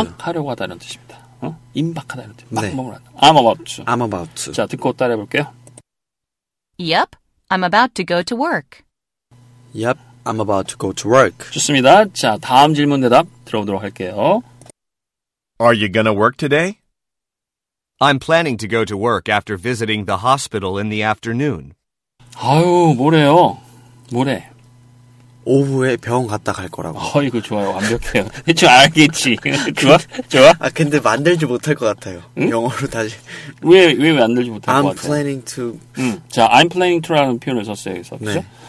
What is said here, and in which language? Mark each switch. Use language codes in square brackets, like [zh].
[ko] 막 하려고 하다는 뜻입니다. 어? 임박하다는 뜻. 막 뭐뭐 한다. 네. [en] I'm about to. I'm about to. [ko] 자, 듣고 따라해 볼게요. [en] Yep. I'm about to go to work. Yep. I'm about to go to work. [ko] 좋습니다. 자, 다음 질문 대답 들어보도록 할게요. [en] Are you gonna work today? I'm planning to go to work after visiting the hospital in the afternoon. [ko] 아유, 뭐래요? 뭐래? 오후에 병원 갔다 갈 거라고. 어, 이거 좋아요. 완벽해요. 대충 알겠지. 좋아? 좋아? 아, 근데 만들지 못할 것 같아요. 응? 영어로 다시. 왜 만들지 못할 [en] I'm [ko] 것 같아요? [en] I'm planning to. [ko] 자, [en] I'm planning to [ko] 라는 표현을 썼어요. 여기서. 네.